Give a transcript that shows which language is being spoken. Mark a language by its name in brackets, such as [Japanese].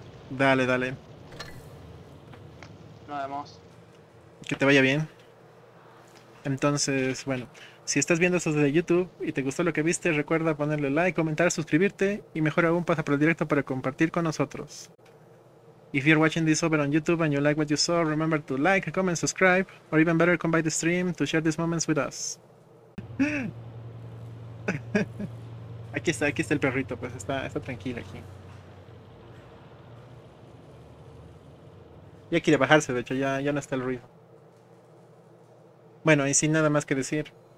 [Spanish] Dale, dale. Nos vemos. Que te vaya bien. Entonces, bueno, Si estás viendo esto desde YouTube y te gustó lo que viste, recuerda ponerle like, comentar, suscribirte y mejor aún pasa por el directo para compartir con nosotros. [English] If you're watching this over on YouTube and you like what you saw, remember to like, comment, subscribe, or even better, come by the stream to share these moments with us. [Spanish] aquí está el perrito, pues está tranquilo aquí. Ya quiere bajarse, de hecho, ya no está el ruido. Bueno, y sin nada más que decir.